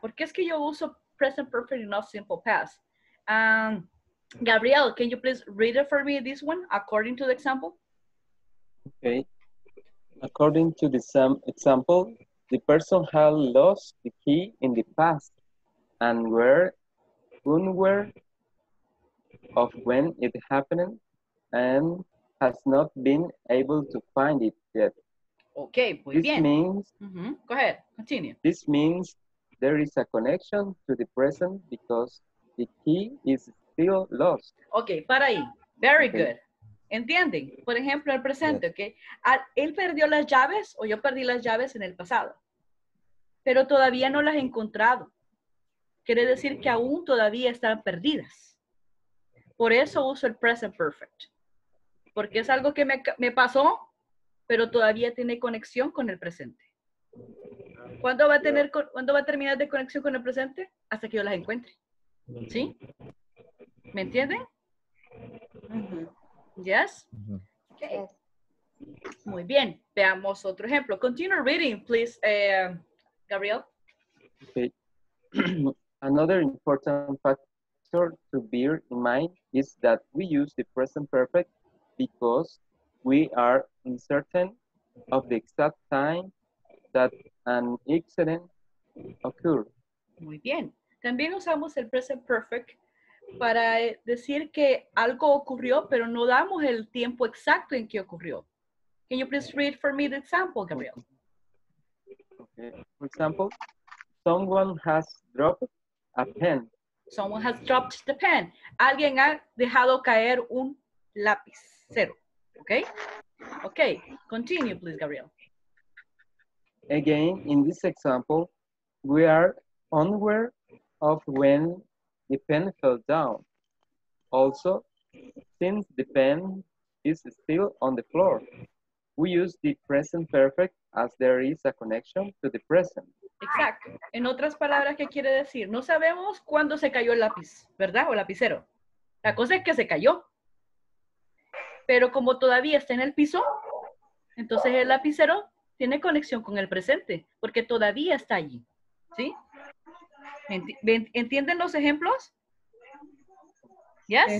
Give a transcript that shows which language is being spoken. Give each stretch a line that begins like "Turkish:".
Spanish: ¿Por qué es que yo uso present perfect y no simple past?
English: Gabriel, can you please read it for me, this one, according to the example? Okay. According to the same example, the person had lost the key in the past and were unaware of when it happened and has not been able to find it yet. Okay,
Spanish: muy bien.
English: Go ahead, continue. This means there is a connection to the present because the key is still lost.
Spanish: Okay, para ahí.
English: Very okay. Good.
Spanish: Entienden? Por ejemplo, el presente, yes. Okay? Él perdió las llaves o yo perdí las llaves en el pasado. Pero todavía no las he encontrado. Quiere decir que aún todavía están perdidas. Por eso uso el present perfect. Porque es algo que me pasó... pero todavía tiene conexión con el presente. ¿Cuándo va a tener, cuándo va a terminar de conexión con el presente? Hasta que yo las encuentre. ¿Sí? ¿Me entienden? Uh-huh. Yes. Uh-huh. Okay. Muy bien. Veamos otro ejemplo.
English: Continue reading, please,
Spanish: Gabriel.
English: Okay. Another important factor to bear in mind is that we use the present perfect because we are uncertain of the exact time that an accident occurred.
Spanish: Muy bien. También usamos el present perfect para decir que algo ocurrió, pero no damos el tiempo exacto en que ocurrió.
English: Can you please read for me the example, Gabriel? Okay. For example, someone has dropped a pen. Someone has dropped the pen.
Spanish: Alguien ha dejado caer un lapicero.
English: Okay? Okay. Continue, please, Gabriel. Again, in this example, we are unaware of when the pen fell down. Also, since the pen is still on the floor, we use the present perfect as there is a connection to the present.
Spanish: Exacto. En otras palabras, ¿qué quiere decir? No sabemos cuándo se cayó el lápiz, ¿verdad? O el lapicero. La cosa es que se cayó. Pero como todavía está en el piso, entonces el lapicero tiene conexión con el presente, porque todavía está allí. ¿Sí? ¿Entienden los ejemplos? Yes?